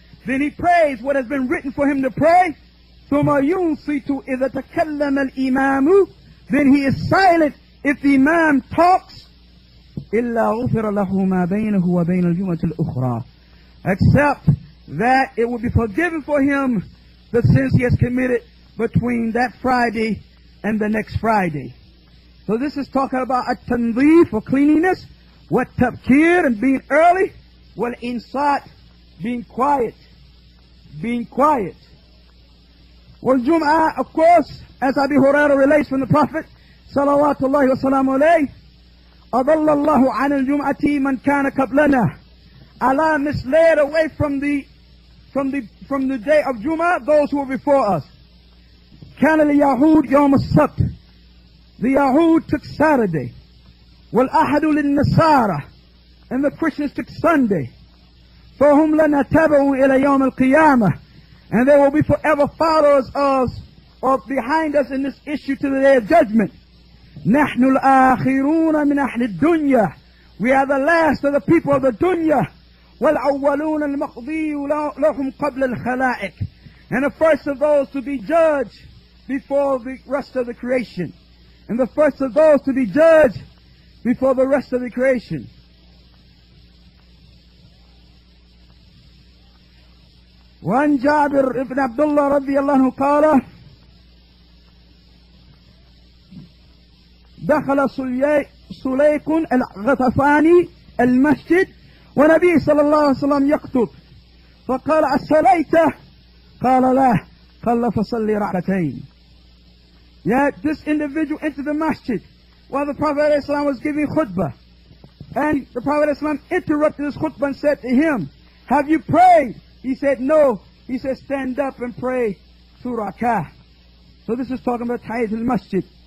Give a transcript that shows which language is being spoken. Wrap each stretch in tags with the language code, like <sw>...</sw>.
<en>Then he prays what has been written for him to pray.</en> <ar>ثم ينصت إذا تكلم الإمام.</ar> <en>Then he is silent if the imam talks.</en> <ar>إلا غفر له ما بينه وبين الجمعة الأخرى.</ar> <en>Except that it will be forgiven for him the sins he has committed between that Friday and the next Friday. So this is talking about التنظيف for cleanliness.</en> <ar>والتبكير</ar> <en>and being early.</en> <ar>والإنصات</ar> <en>being quiet. Being quiet.</en> <ar>والجمعة</ar> <en>of course as Abi Huraira relates from the Prophet</en> <ar>صلوات الله وسلامه عليه أضل الله عن الجمعة من كان قبلنا.</ar> <en>Allah misled away from the day of Jum'ah those who were before us.</en> <ar>كان اليهود يوم السبت.</ar> <en>The Yahud took Saturday.</en> <ar>والأحد للنصارى.</ar> <en>And the Christians took Sunday.</en> <ar>فهم لنا تبعون إلى يوم القيامة.</ar> <en>And they will be forever followers of or behind us in this issue to the day of judgment.</en> <ar>نحن الآخرون من أهل الدنيا.</ar> <en>We are the last of the people of the dunya.</en> <ar>والأولون المقضي لهم قبل الخلائق.</ar> <en>And the first of those to be judged before the rest of the creation. And the first of those to be judged before the rest of the creation.</en> <ar>وعن جابر بن عبد الله رضي الله عنه قال دخل سليك الغطفاني المسجد ونبي صلى الله عليه وسلم يخطب فقال أصليت قال لا قال فصلي ركعتين.</ar> <en>Yet this individual entered the masjid while the Prophet ﷺ was giving khutbah. And the Prophet ﷺ interrupted his khutbah and said to him, have you prayed? He said, no. He said, stand up and pray surah ka. So this is talking about tahiyat al-masjid.</en>